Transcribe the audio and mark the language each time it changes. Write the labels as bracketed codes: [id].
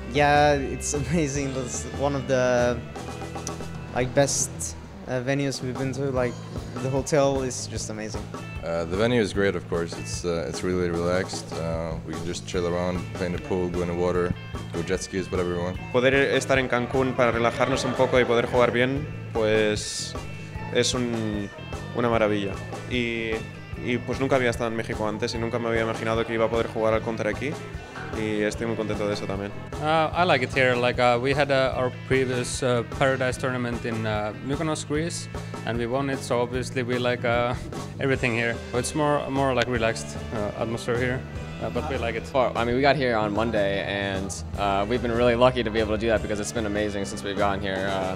[en] Yeah, it's amazing. It's one of the like best venues we've been to. Like, the hotel is just amazing. The venue is great, of course. It's really relaxed. We can just chill around, play in the pool, go in the water, go jet skis, whatever you want. [es] Poder estar en Cancún para relajarnos un poco y poder jugar bien, pues es una maravilla. Y pues nunca había estado en México antes y nunca me había imaginado que iba a poder jugar al counter aquí. Y estoy muy contento de eso también. [en] I like it here. Like, we had our previous Paradise tournament in Mykonos, Greece, and we won it, so obviously we like everything here. But it's more like relaxed atmosphere here, but we like it. I mean, we got here on Monday, and we've been really lucky to be able to do that because it's been amazing since we've gotten here.